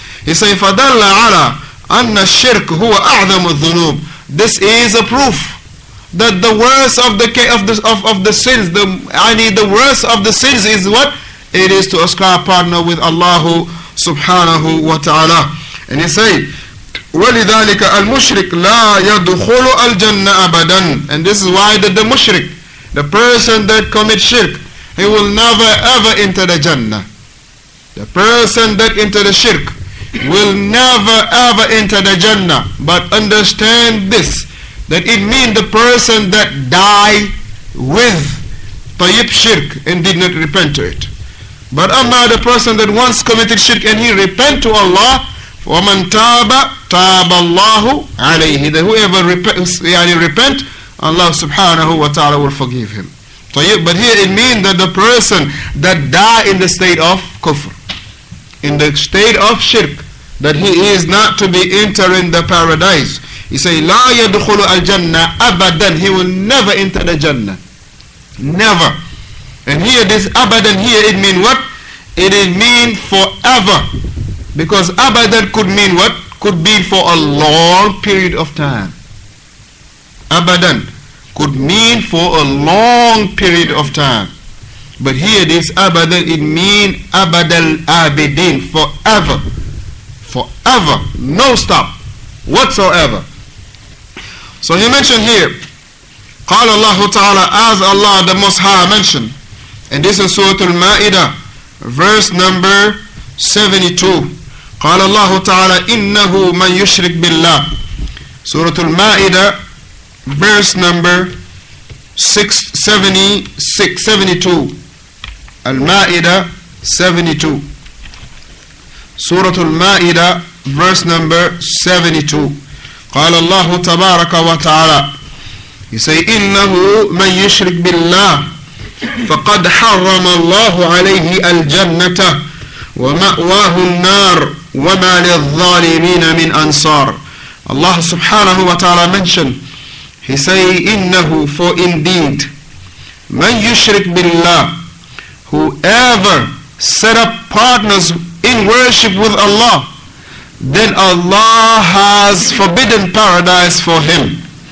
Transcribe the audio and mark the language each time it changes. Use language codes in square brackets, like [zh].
[en] He say, [ar] فَدَلَّ عَلَىٰ أن الشرك هو أعظم الذنوب. [en] This is a proof that the worst of the sins, the worst of the sins is what? It is to ascribe partner with Allah subhanahu wa ta'ala. And he say, [ar] ولذلك المشرك لا يدخل الجنة أبدا. [en] And this is why the mushrik, the person that commits shirk, he will never ever enter the Jannah. The person that enter the shirk will never ever enter the Jannah. But understand this, that it means the person that die with tayyib shirk and did not repent to it. But amma the person that once committed shirk and he repent to Allah, [ar] وَمَنْ تَابَ تَابَ اللَّهُ عَلَيْهِ [en] Whoever repent, Allah subhanahu wa ta'ala will forgive him. طيب, but here it means that the person that die in the state of kufr, in the state of shirk, that he is not to be entering the paradise. [ar] He say, لا يدخل الجنة أبدا. [en] He will never enter the Jannah. Never. And here this أبدا, here it means what? It means forever. Because أبدا could mean what? Could be for a long period of time. أبدا could mean for a long period of time. But here this أبدا, it means [ar] أبدا الأبدين, [en] forever. Forever, no stop whatsoever. So he mentioned here, [ar] قال الله تعالى, [en] as Allah the Most High mentioned, and this is Surah Al-Ma'idah, verse number 72. [ar] قال الله تعالى, إنه من يشرك بالله. [en] Surah Al-Ma'idah, verse number 72. Al-Ma'idah 72. Surah Al-Ma'idah, verse number 72. [ar] قال الله تبارك وتعالى. [en] He say, [ar] إنه من يشرك بالله فقد حرم الله عليه الجنة ومأواه النار وما للظالمين من أنصار. [en] Allah subhanahu wa ta'ala mentioned. He say, إنه for indeed. [ar] من يشرك بالله. [en] Whoever set up partners seeking worship with Allah, then Allah has forbidden paradise for him.